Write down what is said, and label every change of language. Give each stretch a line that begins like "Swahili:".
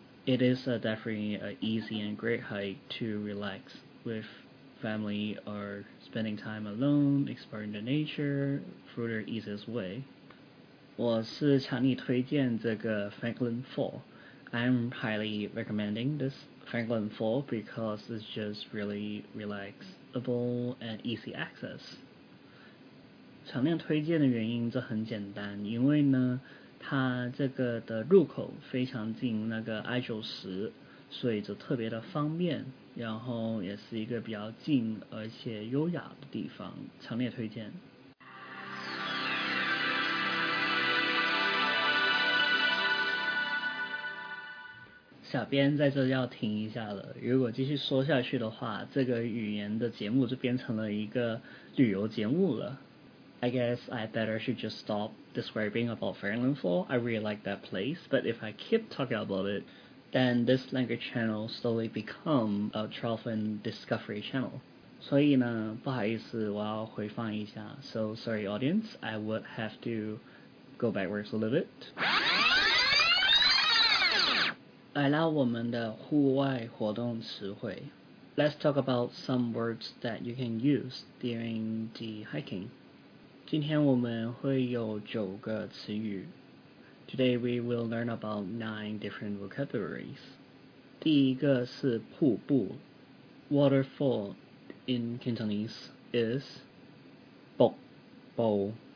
English: It is definitely an easy and great hike to relax with family or spending time alone, exploring the nature through the easiest way.
Chinese: 我是强力推荐这个 Franklin Fall.
English: I'm highly recommending this Franklin Fall because it's just really relaxable and easy access.
Chinese: 强烈推荐的原因就很简单，因为呢它这个的入口非常近那个 I-90， 所以就特别的方便，然后也是一个比较近而且优雅的地方，强烈推荐。小编在这要停一下了，如果继续说下去的话，这个语言的节目就变成了一个旅游节目了。
English: I guess I better should just stop describing about Franklin Fall. I really like that place, but if I keep talking about it, then this language channel slowly become a travel and discovery channel.
Chinese: 所以呢，不好意思，我要回放一下。
English: So sorry, audience, I would have to go backwards a little bit.
Chinese: 来到我们的户外活动词汇。
English: Let's talk about some words that you can use during the hiking.
Chinese: 今天我们会有9个词语。
English: Today we will learn about 9 different vocabularies.
Chinese: 第一个是瀑布。
English: Waterfall in Cantonese is 瀑布。